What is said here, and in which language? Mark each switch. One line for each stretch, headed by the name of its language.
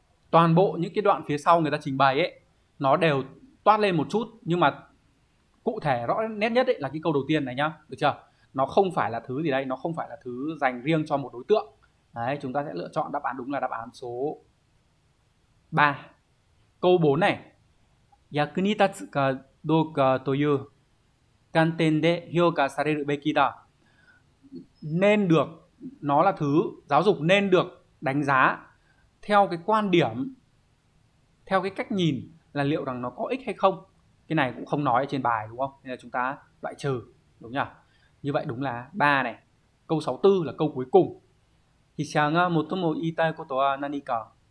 Vietnamese: Toàn bộ những cái đoạn phía sau người ta trình bày ấy, nó đều toát lên một chút, nhưng mà cụ thể rõ nét nhất ấy là cái câu đầu tiên này nhá, được chưa? Nó không phải là thứ gì đây, nó không phải là thứ dành riêng cho một đối tượng. Đấy, chúng ta sẽ lựa chọn đáp án đúng là đáp án số 3. Câu 4 này.
Japanese: 役に立つかどうかという観点で評価されるべきだ.
Vietnamese: Nên được, nó là thứ giáo dục nên được đánh giá theo cái quan điểm, theo cái cách nhìn là liệu rằng nó có ích hay không. Cái này cũng không nói ở trên bài, đúng không? Nên là chúng ta loại trừ, đúng nhỉ? Như vậy đúng là 3 này. Câu 64 là câu cuối cùng. Thì chàng một thông một y tai của tòa nani cả.